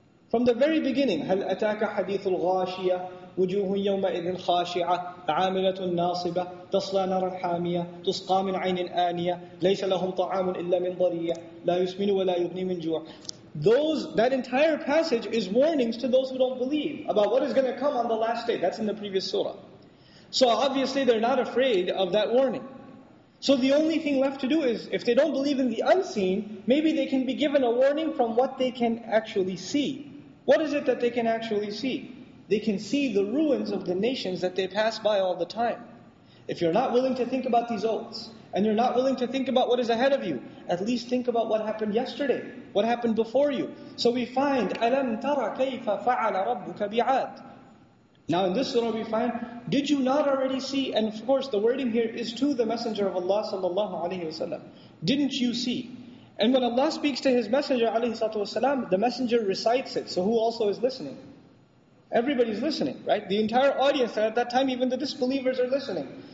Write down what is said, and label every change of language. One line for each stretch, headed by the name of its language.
English: From the very beginning,
Arabic: هَلْ أَتَاكَ حَدِيثُ الْغَاشِيَةِ وُجُوهٌ يَوْمَئِذٍ خَاشِعَةٌ عَامِلَةٌ نَاصِبَةٌ تَصْلَى نَارًا حَامِيَةٌ تُسْقَى مِنْ عَيْنٍ آنِيَةٍ لَيْسَ لَهُمْ طَعَامٌ إِلَّا مِنْ ضَرِيَّةٍ لَا يُسْمِنُ وَلَا يُغْنِي مِنْ جُوعٍ.
English: That entire passage is warnings to those who don't believe about what is going to come on the last day. That's in the previous surah. So obviously they're not afraid of that warning. So the only thing left to do is, if they don't believe in the unseen, maybe they can be given a warning from what they can actually see. What is it that they can actually see? They can see the ruins of the nations that they pass by all the time. If you're not willing to think about these oaths, and you're not willing to think about what is ahead of you, at least think about what happened yesterday, what happened before you. So we find,
Arabic: أَلَمْ تَرَ كَيْفَ فَعَلَ رَبُّكَ بِعَادٍ.
English: Now in this surah we find, did you not already see, and of course the wording here is to the Messenger of Allah sallallahu alayhi wa sallam, didn't you see? And when Allah speaks to His Messenger alayhi salatu wa sallam, the Messenger recites it, so who also is listening? Everybody's listening, right? The entire audience, and at that time even the disbelievers are listening.